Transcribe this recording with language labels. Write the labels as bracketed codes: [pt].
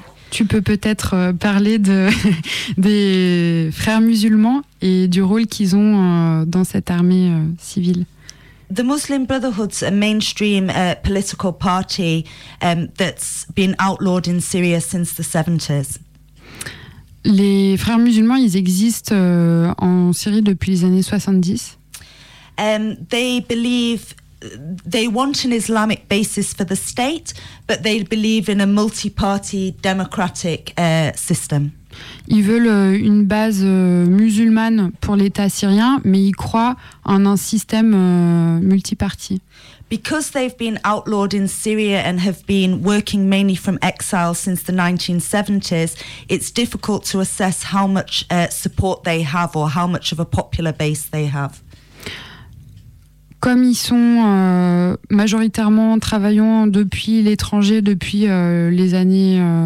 [fr] Tu peux peut-être parler de des frères musulmans et du rôle qu'ils ont dans cette armée civile. [en] The Muslim Brotherhood's a mainstream political party that's been outlawed in Syria since the 70s. [fr] Les frères musulmans, ils existent en Syrie depuis les années 70. [en] They believe they want an Islamic basis for the state, but they believe in a multi-party democratic system. [fr] Ils veulent une base musulmane pour l'État syrien, mais ils croient en un système multi-parti. [en] Because they've been outlawed in Syria and have been working mainly from exile since the 1970s, it's difficult to assess how much support they have or how much of a popular base they have. [fr] Comme ils sont majoritairement travaillant depuis l'étranger depuis les années